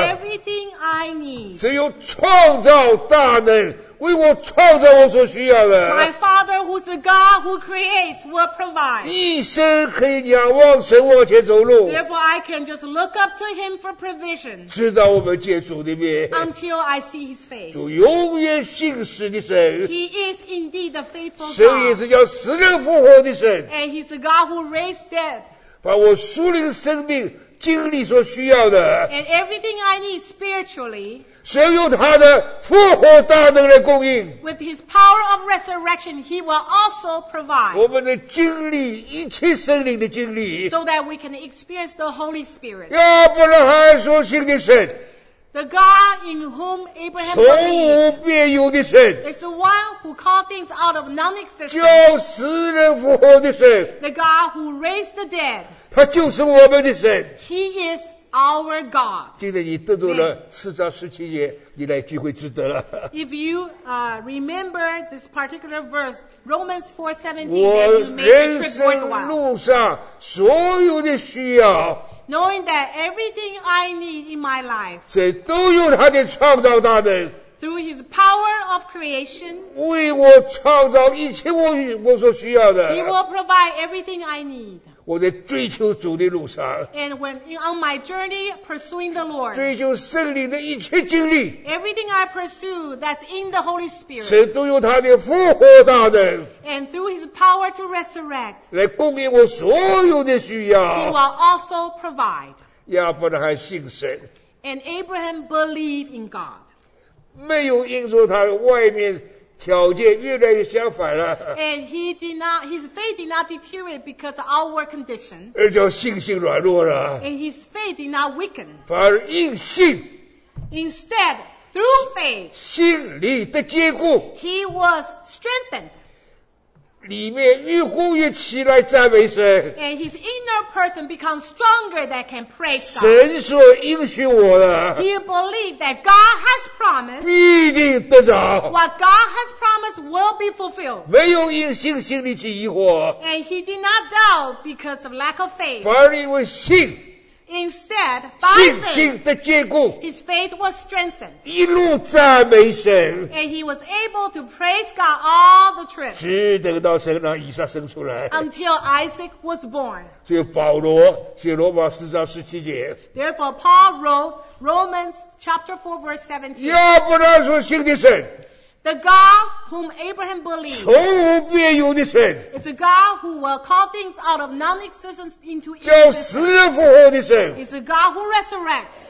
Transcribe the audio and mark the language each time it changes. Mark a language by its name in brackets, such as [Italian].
[English] Everything I need. [Chinese] 只有创造大能。为我创造我所需要的。 [English] My Father, who's the God who creates, will provide. [Chinese] 一生可以仰望神往前走路。 [English] Therefore, I can just look up to Him for provision. [Chinese] 直到我们见主的面。 [English] Until I see His face. [Chinese] 主永远信实的神。 [English] He is indeed the faithful God. [Chinese] 神也是叫死人复活的神。 [English] And He's the God who raised dead. [Chinese] 把我属灵生命经历所需要的 [English] and everything I need spiritually [Chinese] 神用他的复活大能来供应 [English] with his power of resurrection he will also provide [Chinese] 我们的经历一切圣灵的经历 [English] so that we can experience the Holy Spirit [Chinese] 亚伯拉罕所信的神 [English] the God in whom Abraham believed [Chinese] 从无变有的神 [English] is the one who called things out of non-existence [Chinese] 叫死人复活的神 [English] the God who raised the dead [Chinese] 他就是我们的神。 [English] He is our God. [Chinese] 今天你得到了四章十七节，你来聚会值得了。 [English] If you remember this particular verse, Romans 4:17, [Chinese] 我人生路上所有的需要。 [English] Knowing that everything I need in my life, [Chinese] 这都有他的创造大能。 [English] Through His power of creation, [Chinese] 为我创造一切我所需要的。 [English] He will provide everything I need. [Chinese] 我在追求主的路上。 [English] And when on my journey pursuing the Lord. [Chinese] 追求圣灵的一切经历。 [English] Everything I pursue that's in the Holy Spirit. [Chinese] 神都用他的复活大能。 [English] And through his power to resurrect. [Chinese] 来供应我所有的需要。 [English] He will also provide. [Chinese] 亚伯拉罕信神。 [English] And Abraham believed in God. [Chinese] 没有因着他外面条件越来越相反了。 [English] And he did not, his faith did not deteriorate because of outward condition. [Chinese] 而叫信心软弱了。 [English] And his faith did not weaken. [Chinese] 反而因信。 [English] Instead, through faith. [Chinese] 心里的坚固。 [English] He was strengthened. [Chinese] 里面越固越起来赞美神。 [English] And his inner person becomes stronger that can praise God. [Chinese] 神所应许我的。 [English] He believed that God has promised. [Chinese] 必定得着。 [English] What God has promised will be fulfilled. [Chinese] 没有因信心里起疑惑。 [English] And he did not doubt because of lack of faith. [Chinese] 反而因为信。 [English] Instead, by faith, his faith was strengthened. [Chinese] 一路赞美神。 [English] And he was able to praise God all the trip. [Chinese] 只等到神让以撒生出来。 [English] Until Isaac was born. [Chinese] 所以保罗写罗马四章十七节。 [English] Therefore, Paul wrote Romans chapter 4 verse 17. [Chinese] 亚伯拉罕所信的神。 [English] The God whom Abraham believed [Chinese] 从无变有的神 [English] is a God who will call things out of non-existence into existence. [Chinese] 叫死人复活的神 [English] is a God who resurrects.